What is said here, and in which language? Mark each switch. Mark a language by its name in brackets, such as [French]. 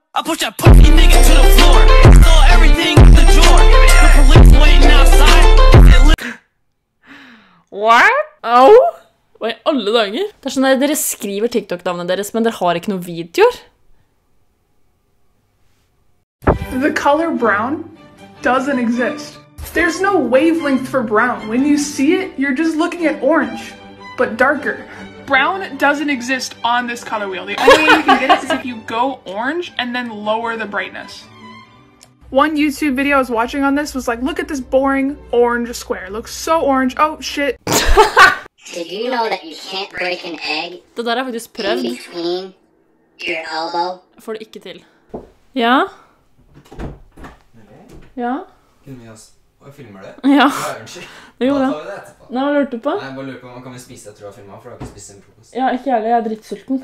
[English] I push that pussy nigga to the floor. Saw everything in the drawer. The police waiting outside. What? Oh. [Norwegian] Og i alle dager. Det er sånn at dere skriver TikTok-navnet deres, men dere har ikke noen videoer. [English] The color brown doesn't exist. There's no wavelength for brown. When you see it, you're just looking at orange, but darker. Brown doesn't exist on this color wheel. The only way you can get it is if you go orange and then lower the brightness. One YouTube video I was watching on this was like, look at this boring orange square. It looks so orange. Oh, shit. Did you know that you can't break an egg? [Norwegian] Det der har jeg faktisk prøvd. [English] In between your elbow? [Norwegian] Jeg får det ikke til. Ja? Ja? Kunne vi oss... Og jeg filmer det? Ja. Det gjorde jeg. Da tar vi det etterpå. Nei, jeg bare lurte på. Kan vi spise det etter du har filmet? For du har ikke spist en frokost. Ja, ikke jævlig. Jeg drittsulten.